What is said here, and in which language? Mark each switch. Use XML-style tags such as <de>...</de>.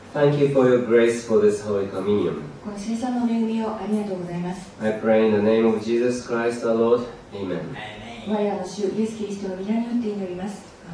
<en>Thank you for your grace for this Holy Communion.</en> <ja>この聖餐の恵みをありがとうございます。</ja> <en>I pray in the name of Jesus Christ, our Lord. Amen.</en> <ja>我らの主、イエス・キリストの御名によって祈ります。</ja>